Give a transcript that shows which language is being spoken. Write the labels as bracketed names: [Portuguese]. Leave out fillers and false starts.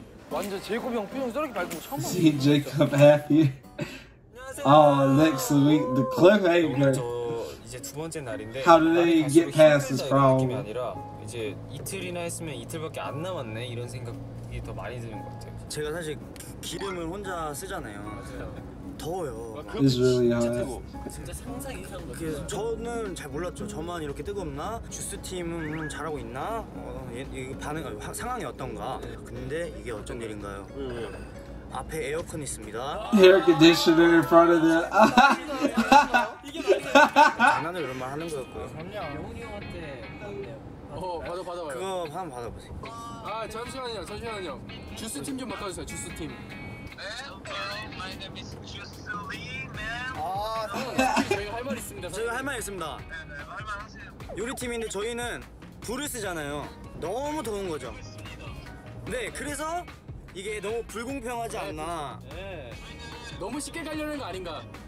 [Korean] 완전 제이콥 형 표정 저렇게 밝고 처음 봐. [English] See Jacob happy. Oh, next week the cliffhanger. [Korean] 두 번째 날인데 [English] How do they get past this problem? [Korean] 아니라 이제 이틀이나 했으면 이틀밖에 안 남았네 이런 생각이 더 많이 드는 것 같아요. 제가 사실 기름을 혼자 쓰잖아요. 더워요. [English] It's really hot. [Korean] 진짜 상상 이상 같아요. 저는 잘 몰랐죠. 저만 이렇게 뜨겁나? 주스 팀은 잘하고 있나? 반응 상황이 어떤가? 근데 이게 어쩐 일인가요? 앞에 에어컨 있습니다. [English] Air conditioner in front of the. [Korean] 장난을 이런 말 하는 거였고요. 아니야. 영훈이 형한테 어, 받아. 그거 한번 받아보세요. 아, 잠시만요. 주스 팀 좀 바꿔주세요, 주스 팀. [English] Man, my name is Juice Lee, man. [Korean] 아, 저희가 할 말 있습니다. 저희가 할 말 있습니다. 네, 네, 말만 하세요. 요리팀인데 저희는 불을 쓰잖아요. 너무 더운 거죠. 네, 그래서 이게 너무 불공평하지 네, 않나. 네. 너무 쉽게 가려는 거 아닌가.